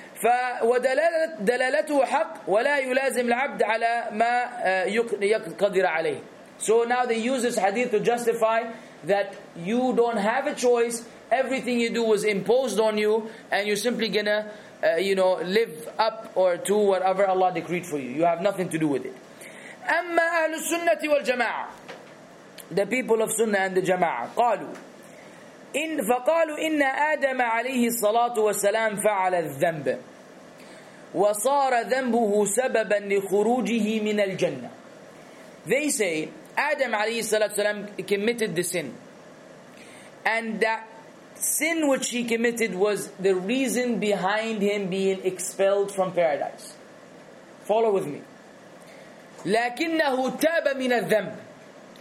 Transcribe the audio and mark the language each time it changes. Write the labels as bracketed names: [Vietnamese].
[Arabic] فَدَلَالَتُهُ حَقٌّ وَلَا يُلَازِمْ الْعَبْدَ عَلَى مَا يَقْدِرَ عَلَيْهِ. [English] So now they use this hadith to justify that you don't have a choice. Everything you do was imposed on you, and you're simply gonna, live up or to whatever Allah decreed for you. You have nothing to do with it. [Arabic] أَمَّا أَهْلُ السُّنَّةِ وَالْجَمَاعَةِ, [English] the people of Sunnah and the Jama'ah, [Arabic] قَالُوا إِنْ فَقَالُوا إِنَّ آدَمَ عَلَيْهِ الصَّلَاةُ وَالسَّلَامُ فَعَلَ الذَّنْبَ وَصَارَ ذَنْبُهُ سَبَبًا لِخُرُوجِهِ مِنَ الْجَنَّةِ. [English] They say Adam [Arabic] عَلَيْهِ الصَّلَاةُ وَالسَّلَامُ [English] committed the sin, and that sin which he committed was the reason behind him being expelled from paradise. Follow with me. [Arabic] لَكِنَّهُ تَابَ مِنَ الذَّنْبِ.